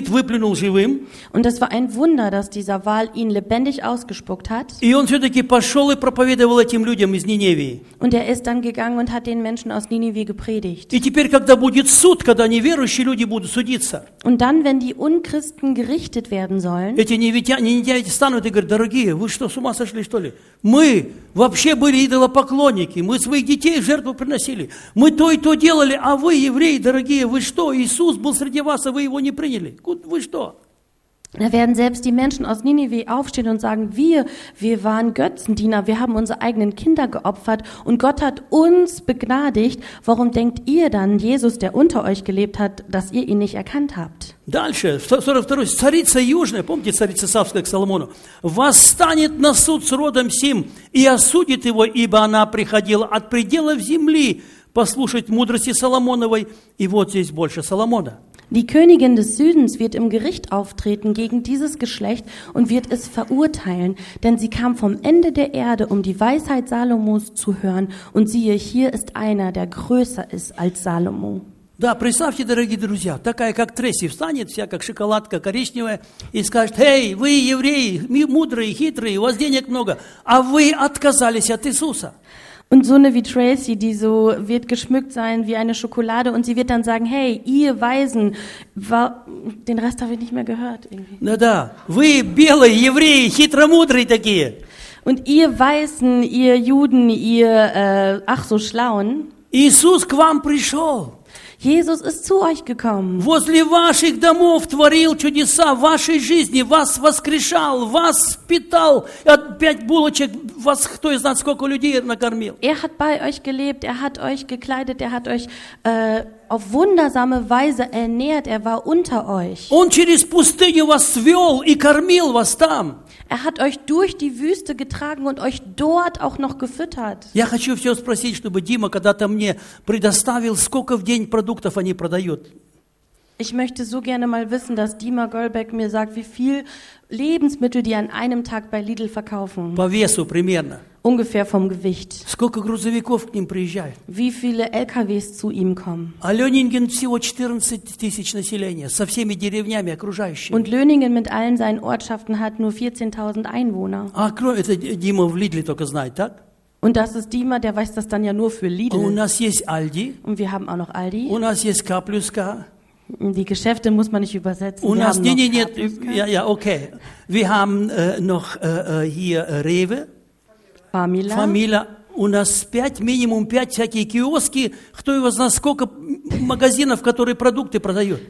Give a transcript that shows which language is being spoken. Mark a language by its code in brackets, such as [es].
[de] Und es war ein Wunder, dass dieser Wal ihn lebendig ausgespuckt hat. Und er ist dann gegangen und hat den Menschen aus Ninive gepredigt. Und dann, wenn die Unchristen gerichtet werden sollen, [ru] эти невитяне станут и говорят: «Дорогие, вы что, с ума сошли, что ли? Мы вообще были идолопоклонники, мы своих детей в жертву приносили, мы то и то делали, а вы, евреи, дорогие, вы что, Иисус был среди вас, а вы его не приняли? Вы что?» [de] Da werden selbst die Menschen aus Ninive aufstehen und sagen: Wir waren Götzendiener, wir haben unsere eigenen Kinder geopfert und Gott hat uns begnadigt. Warum denkt ihr dann, Jesus, der unter euch gelebt hat, dass ihr ihn nicht erkannt habt? [ru] Дальше, 42. Царица Южная, помните, царица Савская к Соломону: «Восстанет на суд с родом сим и осудит его, ибо она приходила от пределов земли послушать мудрости Соломоновой». И вот здесь больше Соломона. [de] Die Königin des Südens wird im Gericht auftreten gegen dieses Geschlecht und wird es verurteilen, denn sie kam vom Ende der Erde, um die Weisheit Salomos zu hören. Und siehe, hier ist einer, der größer ist als Salomo. [ru] Да, представьте, дорогие друзья, такая как Тресси встанет, вся как шоколадка коричневая, и скажет: «Эй, вы евреи, мудрые, хитрые, у вас денег много, а вы отказались от Иисуса». [de] Und so eine wie Tracy, die so wird geschmückt sein wie eine Schokolade, und sie wird dann sagen: «Hey, ihr Weisen, den Rest habe ich nicht mehr gehört». Na da, [ru] вы белые евреи, хитромудрые такие. [de] Und ihr Weisen, ihr Juden, ihr ach so schlauen. [ru] Иисус к вам пришел. [de] Jesus ist zu euch gekommen. [ru] Возле ваших домов творил чудеса в вашей жизни, вас воскрешал, вас питал. От пять булочек вас кто из нас сколько людей накормил? [de] Er hat bei euch gelebt, er hat euch gekleidet, er hat euch auf wundersame Weise ernährt, er war unter euch. [ru] Он через пустыню вас свел и кормил вас там. [de] Er hat euch durch die Wüste getragen und euch dort auch noch gefüttert. [ru] Я хочу все спросить, чтобы Дима когда-то мне предоставил, сколько в день продуктов они продают. [de] Ich möchte so gerne mal wissen, dass Dima Göllbeck mir sagt, wie viel Lebensmittel die an einem Tag bei Lidl verkaufen. [ru] По весу примерно. [de] Ungefähr vom Gewicht. [ru] Сколько грузовиков к ним приезжает? [de] Wie viele LKWs zu ihm kommen? [ru] А Лёнинген всего 14.000 населения со всеми деревнями окружающими. [de] Und Löningen mit allen seinen Ortschaften hat nur 14.000 Einwohner. [ru] А кроме это Дима в Лидле только знает, так? [de] Und das ist Dima, der weiß das dann ja nur für Lidl. [ru] У нас есть Aldi. [de] Und wir haben auch noch Aldi. [ru] У нас есть K+K. [de] Die Geschäfte muss man nicht übersetzen. Und hast, nee, nee, nee, ja, ja, okay. Wir haben noch hier Rewe. Famila. Famila. [ru] У нас пять, минимум пять всякие киоски. Кто его знает, сколько магазинов, которые продукты продают.